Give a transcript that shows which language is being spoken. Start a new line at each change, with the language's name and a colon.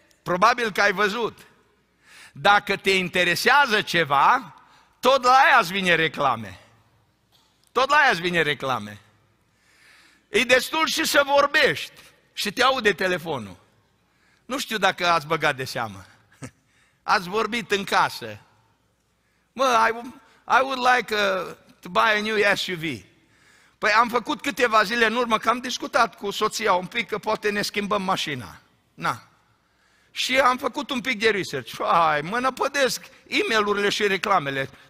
Romanian: Probabil că ai văzut. Dacă te interesează ceva, tot la aia îți vine reclame. Tot la aia îți vine reclame. E destul și să vorbești și te aude telefonul. Nu știu dacă ați băgat de seamă. Ați vorbit în casă.
English: Mă, I would like to buy a new SUV.
Romanian: Păi am făcut câteva zile în urmă că am discutat cu soția un pic că poate ne schimbăm mașina. Na. Și am făcut un pic de research. Ai, mă năpădesc e-mail-urile și reclamele.